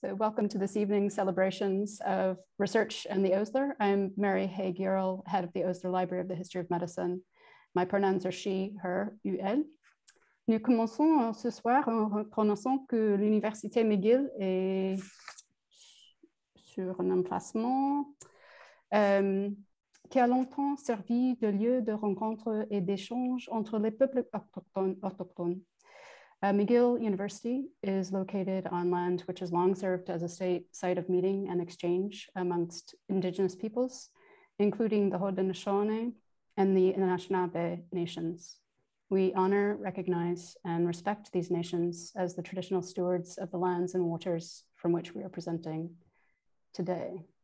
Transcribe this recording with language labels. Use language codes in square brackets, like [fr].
[en] Welcome to this evening's celebrations of research and the Osler. I'm Mary Hague-Yearl, head of the Osler Library of the History of Medicine. My pronouns are she, her, [fr] ou elle. Nous commençons ce soir en reconnaissant que l'Université McGill est sur un emplacement qui a longtemps servi de lieu de rencontre et d'échange entre les peuples autochtones. [en] McGill University is located on land which has long served as a site of meeting and exchange amongst Indigenous peoples, including the Haudenosaunee and the Anishinaabe nations. We honor, recognize, and respect these nations as the traditional stewards of the lands and waters from which we are presenting today.